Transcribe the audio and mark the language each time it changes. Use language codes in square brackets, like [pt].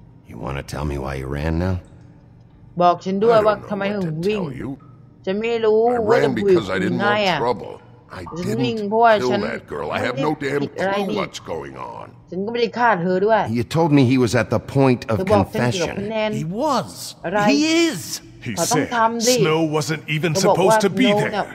[en] You want to tell me why you ran now? [th] บอกฉันด้วยว่าทำไมถึงวิ่งฉันไม่รู้ว่าจะวิ่งยังไงอ่ะฉันวิ่งเพราะฉันไม่ได้ผิดอะไรดี ฉันก็ไม่ได้ฆ่าเธอด้วย [en] You told me he was at the point of confession. He was. He is. He said Snow wasn't even supposed to be there.